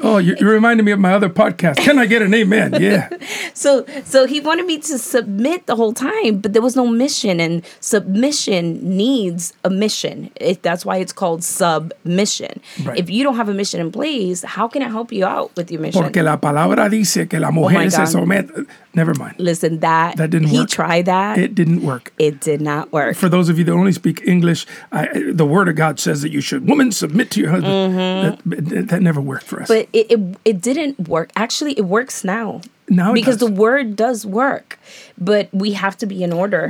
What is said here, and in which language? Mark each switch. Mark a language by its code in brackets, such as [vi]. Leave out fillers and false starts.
[en] Oh, you reminded me of my other podcast. Can I get an amen? Yeah. So he wanted me to submit the whole time, but there was no mission, and submission needs a mission. That's why it's called submission. Right. If you don't have a mission in place, how can I help you out with your mission? [es] Porque la palabra dice que la mujer se somete. [en] Never mind. Listen, that didn't he work. He tried that. It didn't work. It did not work. For those of you that only speak English, the word of God says that you should, woman, submit to your husband. Mm-hmm. That never worked for us. But it didn't work. Actually, it works now. Now it because does. The word does work. But we have to be in order.